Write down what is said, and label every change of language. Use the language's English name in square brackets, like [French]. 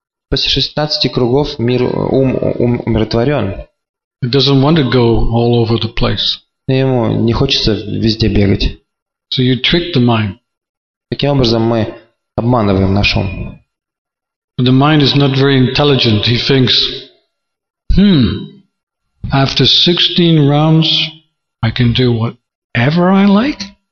[Russian] После 16 кругов мир ум умиротворен. [English] It doesn't want to go all over the place. [Russian] Ему не хочется везде бегать. [English] So you trick the mind. [Russian] Таким образом мы обманываем наш ум. [English] But the mind is not very intelligent. He thinks, after 16 rounds, I can do whatever I like.